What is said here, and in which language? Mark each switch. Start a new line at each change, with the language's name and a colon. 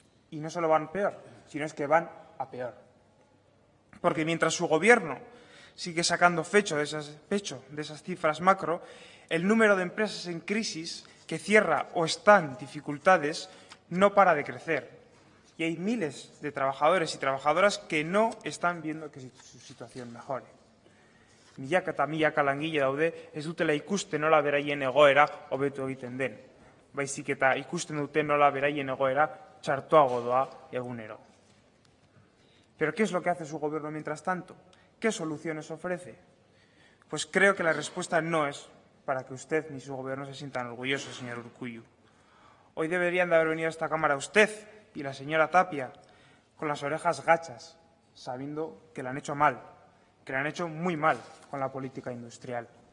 Spanish: Y no solo van peor, sino es que van a peor. Porque mientras su gobierno sigue sacando pecho de esas cifras macro, el número de empresas en crisis que cierra o están dificultades no para de crecer. Y hay miles de trabajadores y trabajadoras que no están viendo que su situación mejore.
Basque: Milaka eta milaka langile daude ez dutela ikusten nola beraien egoera hobetu egiten den, baizik eta ikusten dute nola beraien egoera txartuago doa egunero.
Spanish: Pero ¿qué es lo que hace su gobierno mientras tanto? ¿Qué soluciones ofrece? Pues creo que la respuesta no es para que usted ni su gobierno se sientan orgullosos, señor Urkullu. Hoy deberían de haber venido a esta cámara usted y la señora Tapia con las orejas gachas, sabiendo que la han hecho mal, que la han hecho muy mal con la política industrial.